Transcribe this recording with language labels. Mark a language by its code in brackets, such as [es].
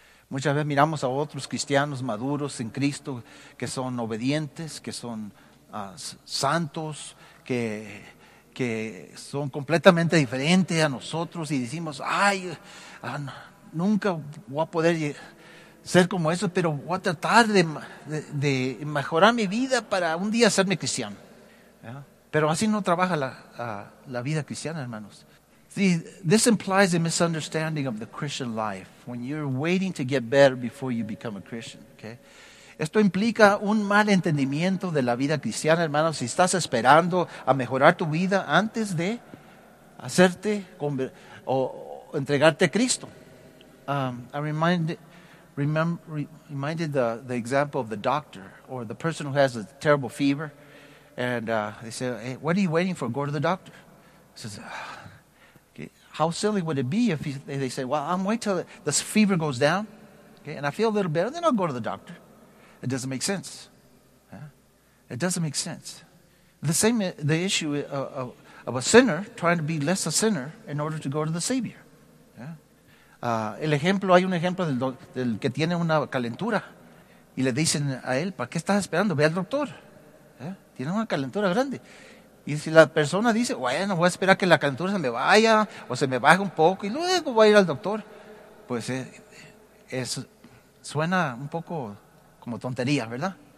[es] Muchas veces miramos a otros cristianos maduros en Cristo que son obedientes, que son santos, que son completamente diferentes a nosotros y decimos, ay, nunca voy a poder ser como eso, pero voy a tratar de mejorar mi vida para un día serme cristiano. Yeah. Pero así no trabaja la vida cristiana, hermanos. [en] See, this implies a misunderstanding of the Christian life when you're waiting to get better before you become a Christian, okay? [es] Esto implica un mal entendimiento de la vida cristiana, hermanos, si estás esperando a mejorar tu vida antes de hacerte o entregarte a Cristo. [en] I reminded the example of the doctor or the person who has a terrible fever, and they say, hey, what are you waiting for? Go to the doctor. He says, okay, how silly would it be if they say, well, I'm waiting till this fever goes down, okay, and I feel a little better, then I'll go to the doctor. It doesn't make sense. Yeah? It doesn't make sense. The issue of a sinner trying to be less a sinner in order to go to the Savior. [es] Hay un ejemplo del que tiene una calentura y le dicen a él, ¿para qué estás esperando? Ve al doctor. ¿Eh? Tiene una calentura grande. Y si la persona dice, bueno, voy a esperar que la calentura se me vaya o se me baje un poco y luego voy a ir al doctor, pues es suena un poco como tontería, ¿verdad?